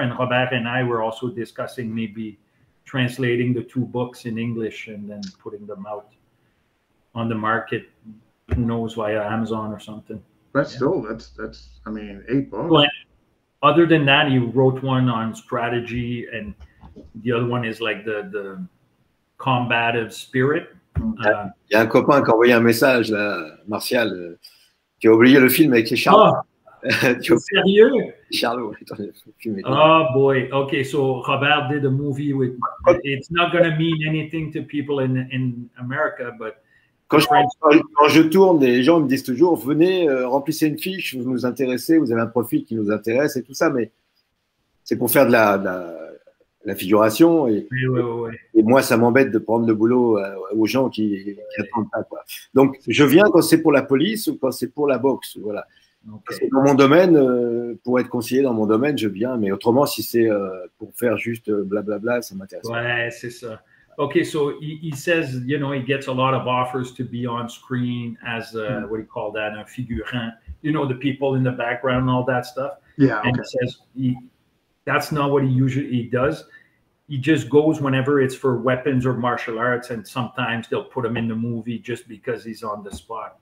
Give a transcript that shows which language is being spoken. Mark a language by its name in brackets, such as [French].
[English] And Robert and I were also discussing maybe translating the two books in English and then putting them out on the market, who knows, via Amazon or something. That's 8 books. But other than that, he wrote one on strategy, and the other one is like the combative spirit. [French] Il y a un copain qui a envoyé un message là, Martial, tu as oublié le film avec les Charlots. Oh, sérieux? Les Charlots. [English] Oh boy. Okay, so Robert did a movie with. It's not going to mean anything to people in America, but. [French] Quand je tourne, les gens me disent toujours, venez, remplissez une fiche, vous nous intéressez, vous avez un profil qui nous intéresse et tout ça, mais c'est pour faire de la figuration. Et, oui. Et moi, ça m'embête de prendre le boulot aux gens qui attendent pas, quoi. Donc, je viens quand c'est pour la police ou quand c'est pour la boxe, voilà. [English] Okay. [French] Parce que dans mon domaine, pour être conseiller dans mon domaine, je viens, mais autrement, si c'est pour faire juste blablabla, ça m'intéresse pas. Ouais, c'est ça. [English] Okay, so he says, you know, he gets a lot of offers to be on screen as a, what do you call that, a figurant, you know, the people in the background and all that stuff. Yeah. And okay. He says that's not what he usually does. He just goes whenever it's for weapons or martial arts, and sometimes they'll put him in the movie just because he's on the spot.